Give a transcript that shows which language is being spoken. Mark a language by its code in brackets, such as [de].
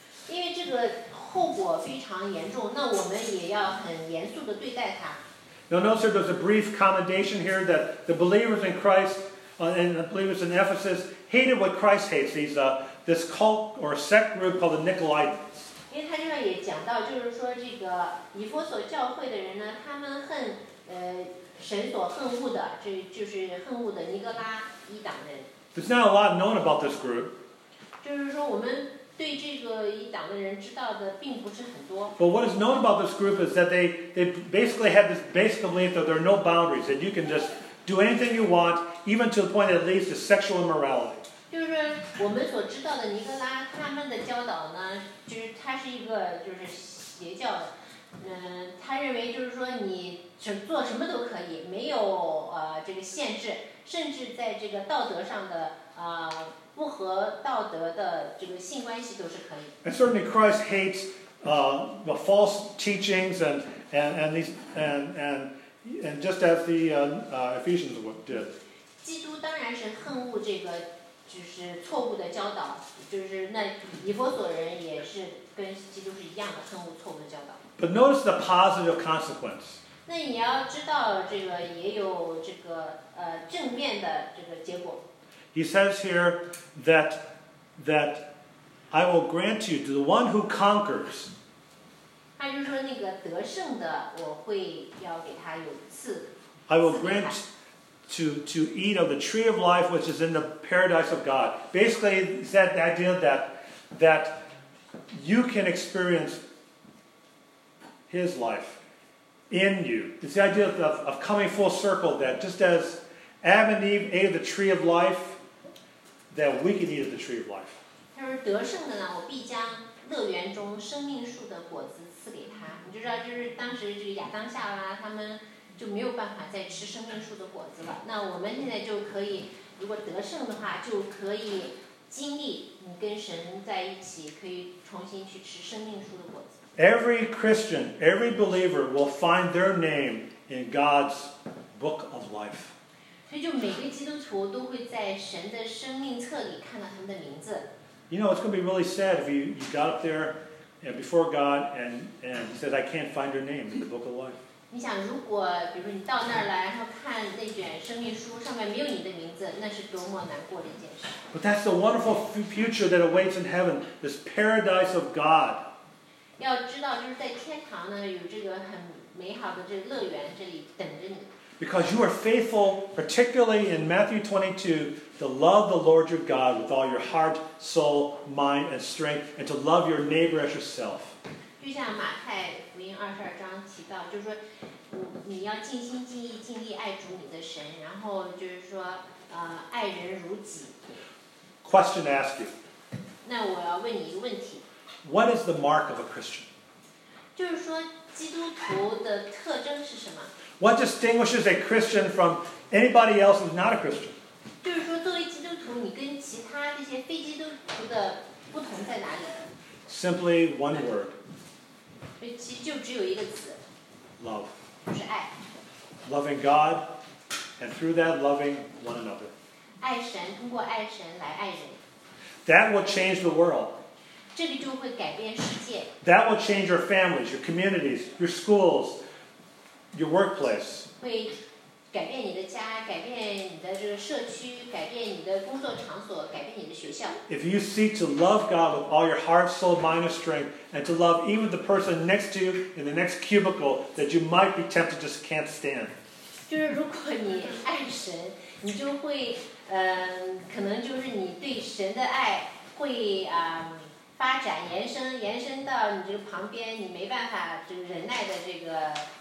[zh] 因为这个后果非常严重，那我们也要很严肃地对待它。 [en] Now, notice there's a brief commendation here that the believers in Christ, and the believers in Ephesus, hated what Christ hates, this cult or sect group called the Nicolaitans. [zh] 因为他这边也讲到，就是说这个以弗所教会的人呢，他们恨神所恨恶的，这就是恨恶的尼格拉一党人。 [en] There's not a lot known about this group. [zh] 就是说，我们对这个一党的人知道的并不是很多。 [en] But what is known about this group is that they basically have this basic belief that there are no boundaries, that you can just do anything you want, even to the point that leads to sexual immorality. [zh] 就是我们所知道的尼格拉他们的教导呢，就是他是一个就是邪教的。他认为就是说你做什么都可以，没有这个限制，甚至在这个道德上的不合道德的这个性关系都是可以。 [en] And certainly Christ hates the false teachings and just as the Ephesians did. [zh] 基督当然是恨恶这个就是错误的教导，就是那以弗所人也是跟基督是一样的恨恶错误的教导。 [en] But notice the positive consequence. [zh] 那你要知道这个也有这个正面的这个结果。 [en] He says here that I will grant you to the one who conquers. [zh] 他就说那个得胜的我会要给他有赐。 [en] I will grant to eat of the tree of life which is in the paradise of God. Basically, it's that idea that you can experience His life in you. It's the idea of coming full circle that just as Adam and Eve ate the tree of life, that we can eat of the tree of life. [zh] 他说得胜的呢，我必将乐园中生命树的果子赐给他。你就知道，就是当时这个亚当夏娃他们就没有办法再吃生命树的果子了。那我们现在就可以，如果得胜的话，就可以经历你跟神在一起，可以重新去吃生命树的果子。 [en] Every Christian, every believer will find their name in God's book of life. [zh] 所以就每个基督徒都会在神的生命册里看到他们的名字。 [en] You know, it's going to be really sad if you got up there before God and you said, I can't find your name in the book of life. [zh] 你想如果比如说你到那儿来然后看那卷生命书上面没有你的名字，那是多么难过的一件事。 [en] But that's the wonderful future that awaits in heaven, this paradise of God. [zh] 要知道就是在天堂呢有这个很美好的这个乐园这里等着你。 [en] Because you are faithful, particularly in Matthew 22, to love the Lord your God with all your heart, soul, mind, and strength, and to love your neighbor as yourself. [zh] 就像马太福音二十二章提到，就是说，你要尽心尽意尽力爱主你的神，然后就是说，爱人如己。 [en] Question to ask you. [zh] 那我要问你一个问题。 [en] What is the mark of a Christian? [zh] 就是说，基督徒的特征是什么？ [en] What distinguishes a Christian from anybody else who's not a Christian? [zh] 就是说，作为基督徒，你跟其他这些非基督徒的不同在哪里？ [en] Simply one word. [zh] 其实就只有一个词。 [en] Love. [zh] 就是爱。 [en] Loving God, and through that, loving one another. [zh] 爱神，通过爱神来爱人。 [en] That will change the world. [zh] 这个就会改变世界。 [en] That will change your families, your communities, your schools. Your workplace. [zh] 会改变你的家，改变你的这个社区，改变你的工作场所，改变你的学校。 [en] If you seek to love God with all your heart, soul, mind, and strength, and to love even the person next to you in the next cubicle that you might be tempted just can't stand. [zh] 就是如果你爱神，你就会可能就是你对神的爱会发展延伸到你这个旁边你没办法就忍耐的这个。